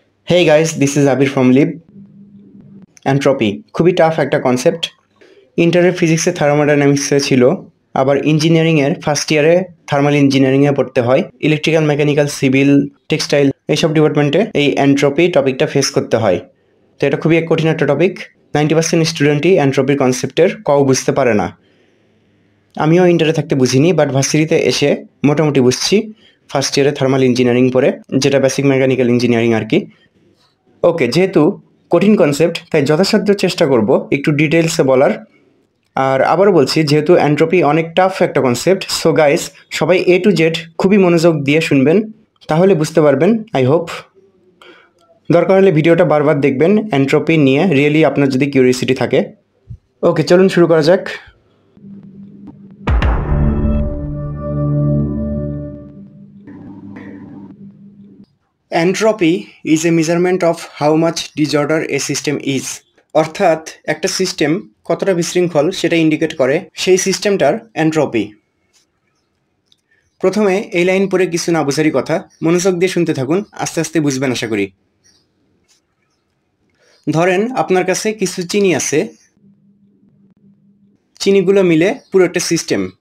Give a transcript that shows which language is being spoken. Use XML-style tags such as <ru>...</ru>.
<en>Hey guys, this is Abir from LEEEB. Entropy,</en> <bn>খুবই</bn> <en>tough একটা concept.</en> <bn>Inter-year physics-এ thermodynamics ছিলো, আবার engineering-এর first year-এ thermal engineering-এ পড়তে হয়, electrical, mechanical, civil, textile, এইসব department-এ এই entropy topic-টা face করতে হয়. তো এটা খুবই এক কঠিন একটা topic. 90% student-ই entropy concept-এর কও বুঝতে পারে না. আমিও inter-এ থাকতে বুঝিনি, but varsity-তে এসে মোটামুটি বুঝছি. First year-এ thermal engineering পড়ে, যেটা basic mechanical engineering আর কি. ওকে, যেহেতু কঠিন কনসেপ্ট, তাই যথাসাধ্য চেষ্টা করব একটু ডিটেইলসে বলার. আর আবারও বলছি, যেহেতু এন্ট্রপি অনেক টাফ একটা কনসেপ্ট,</bn> <en>so guys</en> <bn>সবাই এ টু জেড খুবই মনোযোগ দিয়ে শুনবেন, তাহলে বুঝতে পারবেন</bn> <en>I hope.</en> <bn>দরকার হলে ভিডিওটা বারবার দেখবেন এন্ট্রপি নিয়ে, রিয়েলি আপনার যদি কিউরিয়াসিটি থাকে. ওকে, চলুন শুরু করা যাক.</bn> <en>Entropy is a measurement of how much disorder a system is.</en> <bn>অর্থাৎ একটা সিস্টেম কতটা বিশৃঙ্খল সেটা ইন্ডিকেট করে সেই সিস্টেমটার এন্ট্রপি. প্রথমে এই লাইন পরে কিছু না বুঝারি কথা, মনোযোগ দিয়ে শুনতে থাকুন, আস্তে আস্তে বুঝবেন আশা করি. ধরেন আপনার কাছে কিছু চিনি আছে, চিনিগুলো মিলে পুরো একটা সিস্টেম.</bn>